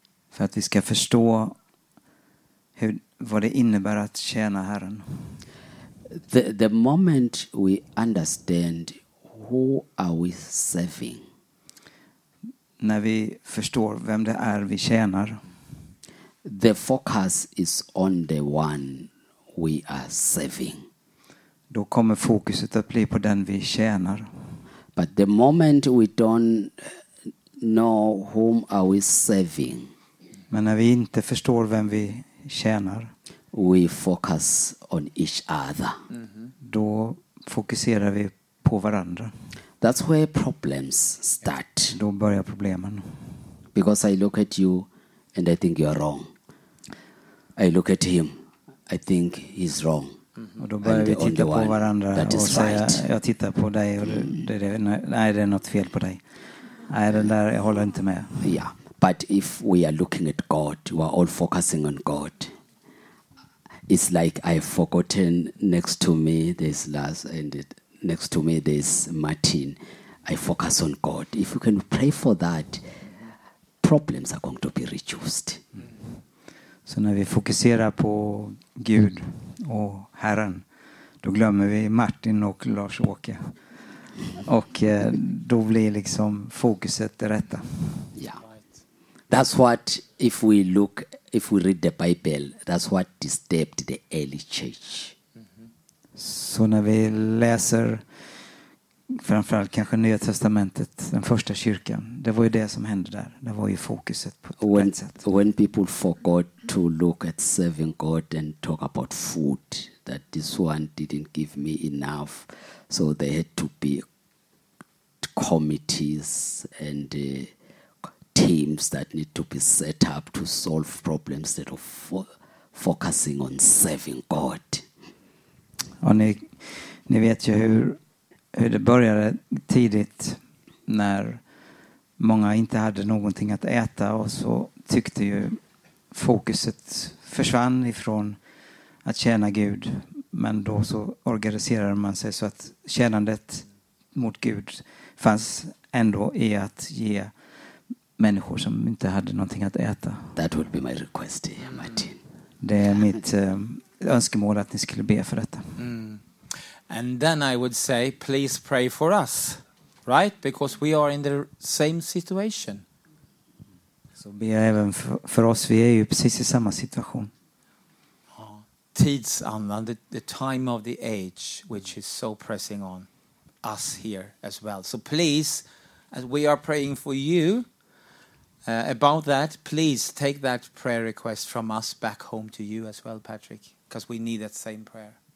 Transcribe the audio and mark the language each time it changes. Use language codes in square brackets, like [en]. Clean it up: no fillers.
[sv] För att vi ska förstå vad det innebär att tjäna Herren. [en] The moment we understand who are we serving. [sv] När vi förstår vem det är vi tjänar. [en] The focus is on the one we are serving. [sv] Då kommer fokuset att bli på den vi tjänar. [en] But the moment we don't know whom are we serving. [sv] Men när vi inte förstår vem vi tjänar. [en] we focus on each other. [sv] Då fokuserar vi på varandra. [en] That's where problems start. [sv] Då börjar problemen. [en] Because I look at you and I think you are wrong. I look at him, I think he's wrong. [sv] Och då börjar vi titta på varandra och säga, jag tittar på dig och det är något fel på dig. Nej, den där, jag håller inte med. [en] Yeah. But if we are looking at God, we are all focusing on God. It's like I've forgotten next to me this last and it, next to me this Martin. I focus on God. If you can pray for that, problems are going to be reduced. [sv] Så när vi fokuserar på Gud och Herren, då glömmer vi Martin och Lars-Åke. Och då blir liksom fokuset det rätta. [en] Yeah. That's what, if we look, if we read the Bible, that's what disturbed the early church. [sv] Så när vi läser framförallt kanske Nya Testamentet, den första kyrkan, det var ju det som hände där. Det var ju fokuset på ett rätt sätt. When people forgot to look at serving God and talk about food, that this one didn't give me enough, so they had to be committees and teams that need to be set up to solve problems instead of focusing on serving God. Och ni vet ju hur det började tidigt när många inte hade någonting att äta och så tyckte ju fokuset försvann ifrån att tjäna Gud. Men då så organiserade man sig så att tjänandet mot Gud fanns ändå i att ge människor som inte hade någonting att äta. [en] That would be my request, Martin. [sv] Det är mitt önskemål att ni skulle be för detta. [en] And then I would say, please pray for us, right? Because we are in the same situation. [sv] Så be även för oss, vi är ju precis i samma situation. [en] Tidsandan, the time of the age, which is so pressing on us here as well. So please, as we are praying for you, about that, please take that prayer request from us back home to you as well, Patrick, because we need that same prayer.